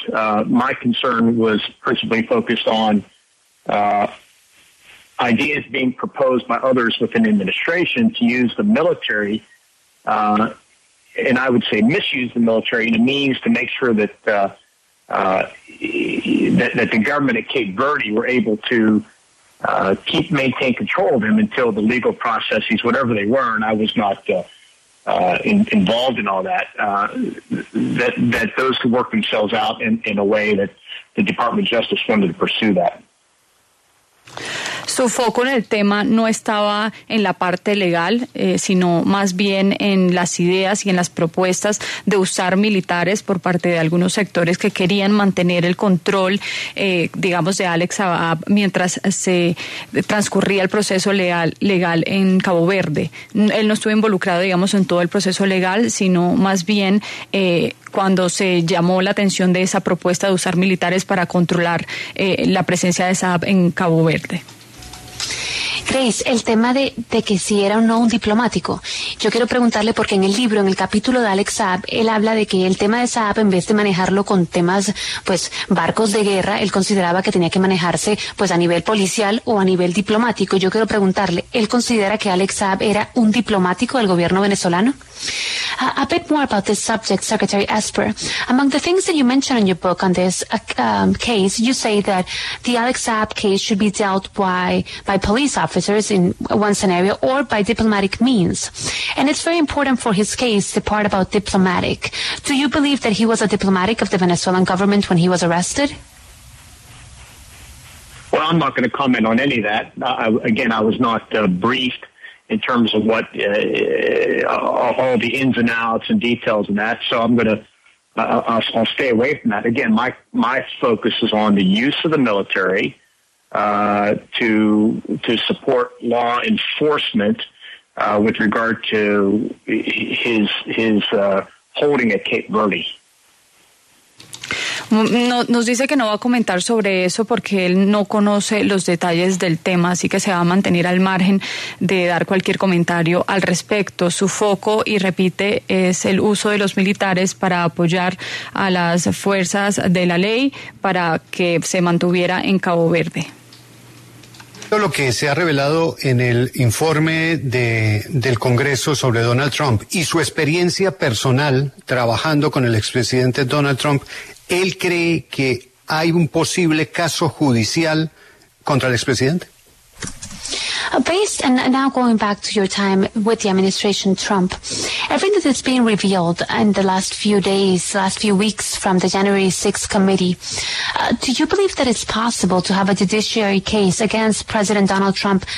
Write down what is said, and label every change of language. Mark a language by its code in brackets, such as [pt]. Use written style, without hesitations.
[en] My concern was principally focused on ideas being proposed by others within the administration to use the military, and I would say misuse the military in a means to make sure that that the government at Cape Verde were able to maintain control of him until the legal processes, whatever they were, and I was not involved in all that, that those could work themselves out in a way that the Department of Justice wanted to pursue that. [es] Su foco en el tema no estaba en la parte legal, sino más bien en las ideas y en las propuestas de usar militares por parte de algunos sectores que querían mantener el control, digamos, de Alex Saab mientras se transcurría el proceso legal en Cabo Verde. Él no estuvo involucrado, digamos, en todo el proceso legal, sino más bien cuando se llamó la atención de esa propuesta de usar militares para controlar la presencia de Saab en Cabo Verde. Grace, el tema de que si era o no un diplomático, yo quiero preguntarle porque en el libro, en el capítulo de Alex Saab, él habla de que el tema de Saab, en vez de manejarlo con temas, pues, barcos de guerra, él consideraba que tenía que manejarse, pues, a nivel policial o a nivel diplomático. Yo quiero preguntarle, ¿él considera que Alex Saab era un diplomático del gobierno venezolano? [en] A bit more about this subject, Secretary Esper. Among the things that you mention in your book on this case, you say that the Alex Saab case should be dealt by police officers in one scenario or by diplomatic means. And it's very important for his case, the part about diplomatic. Do you believe that he was a diplomatic of the Venezuelan government when he was arrested? Well, I'm not going to comment on any of that. I was not briefed in terms of what all the ins and outs and details and that. So I'm going to I'll stay away from that. Again, my focus is on the use of the military to support law enforcement with regard to his holding at Cape Verde. [es] No, nos dice que no va a comentar sobre eso porque él no conoce los detalles del tema, así que se va a mantener al margen de dar cualquier comentario al respecto. Su foco, y repite, es el uso de los militares para apoyar a las fuerzas de la ley para que se mantuviera en Cabo Verde. Lo que se ha revelado en el informe del Congreso sobre Donald Trump y su experiencia personal trabajando con el expresidente Donald Trump, ¿él cree que hay un posible caso judicial contra el expresidente? [en] Based and now going back to your time with the administration Trump, everything that's been revealed in the last few weeks from the January 6th committee, do you believe that it's possible to have a judiciary case against President Donald Trump?